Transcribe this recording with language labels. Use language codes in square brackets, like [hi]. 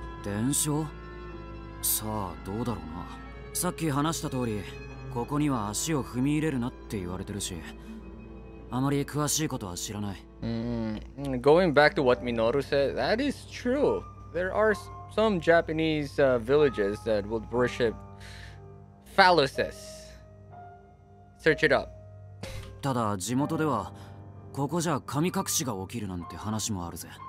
[ja] 伝承？さあ、どうだろうな。さっき話した通り、ここには足を踏み入れるなって言われてるし、あまり詳しいことは知らない。 [en] Going back to what Minoru said, that is true. There are some Japanese villages that would worship phalluses. Search it up. [ja] ただ地元ではここじゃ神隠しが起きるなんて話もあるぜ。